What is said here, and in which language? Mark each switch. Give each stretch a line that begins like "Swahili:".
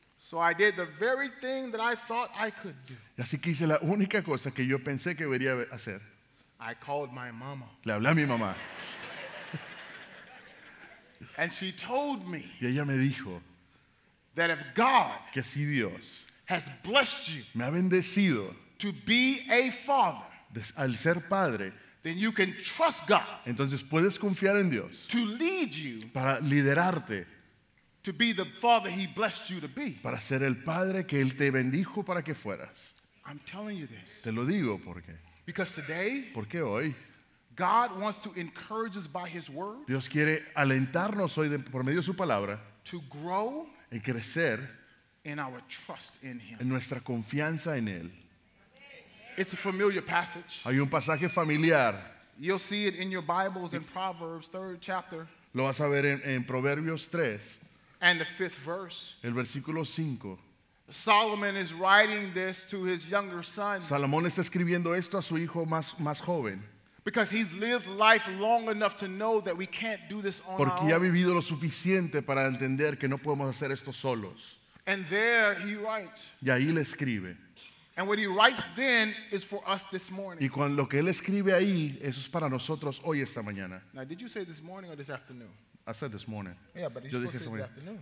English: So I did the very thing that I thought I could do.
Spanish: Y así que hice la única cosa que yo pensé que debería hacer.
English: I called my mama.
Spanish: Le hablé a mi mamá.
English: And she told me.
Spanish: Y ella me dijo.
English: That if God.
Spanish: Que si Dios.
English: Has blessed you.
Spanish: Me ha bendecido.
English: To be a father.
Spanish: Al ser padre.
English: Then you can trust God.
Spanish: Entonces puedes confiar en Dios.
English: To lead you.
Spanish: Para liderarte.
English: To be the father he blessed you to be.
Spanish: Para ser el padre que él te bendijo para que fueras.
English: I'm telling you this.
Spanish: Te lo digo porque.
English: Because today.
Spanish: Porque hoy.
English: God wants to encourage us by his word.
Spanish: Dios quiere alentarnos hoy por medio de su palabra.
English: To grow.
Spanish: En crecer.
English: In our trust in him.
Spanish: En nuestra confianza en él.
English: It's a familiar passage.
Spanish: Hay un pasaje familiar.
English: You'll see it in your Bibles in Proverbs, third chapter.
Spanish: Lo vas a ver en Proverbios 3.
English: And the fifth verse.
Spanish: El versículo 5.
English: Solomon is writing this to his younger son.
Spanish: Salomón está escribiendo esto a su hijo más joven.
English: Because he's lived life long enough to know that we can't do this on our own.
Spanish: Porque ha vivido lo suficiente para entender que no podemos hacer esto solos.
English: And there he writes.
Spanish: Y ahí le escribe.
English: And what he writes then is for us this morning.
Spanish: Y cuando lo que él escribe ahí, eso es para nosotros hoy esta mañana.
English: Now, did you say this morning or this afternoon? I said this morning. Yeah, but you're supposed to say this afternoon.